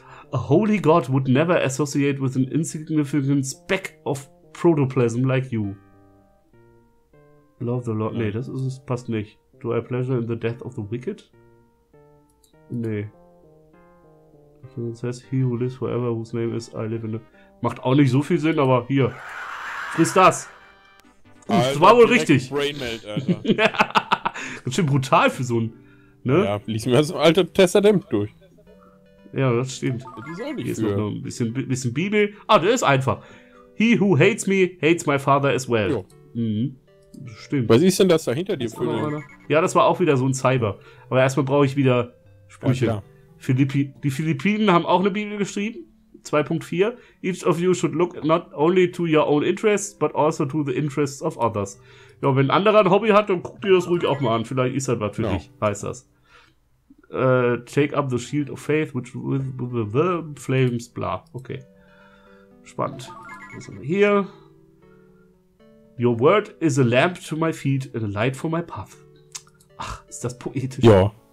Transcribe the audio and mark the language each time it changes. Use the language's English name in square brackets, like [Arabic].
[English] A holy God would never associate with an insignificant speck of protoplasm like you. Love the Lord. [German] Nee, das ist, passt nicht. [English] Do I pleasure in the death of the wicked? [German] Nee. [English] It says, he who lives forever, whose name is I live in the... [German] Macht auch nicht so viel Sinn, aber hier. Friss das. Alter, das war wohl richtig. Brain melt, Alter. Ganz schön brutal für so ein... Ne? Ja, lies mir das alte Testament durch. Ja, das stimmt. Das ist auch nicht hier ist noch ein bisschen Bibel. Ah, der ist einfach. [English] He who hates me, hates my father as well. [German] Mhm. Stimmt. Was ist denn das da hinter dir für eine? Ja, das war auch wieder so ein Cyber. Aber erstmal brauche ich wieder Sprüche. Ja, die Philippinen haben auch eine Bibel geschrieben. 2.4. [English] Each of you should look not only to your own interests, but also to the interests of others. [German] Ja, wenn ein anderer ein Hobby hat, dann guck dir das ruhig auch mal an. Vielleicht ist das was für dich, heißt das. [English] Take up the shield of faith, which with the flames, bla. [German] Okay. Spannend. Was haben wir hier? [English] Your word is a lamp to my feet and a light for my path. [German] Ach, ist das poetisch. Ja.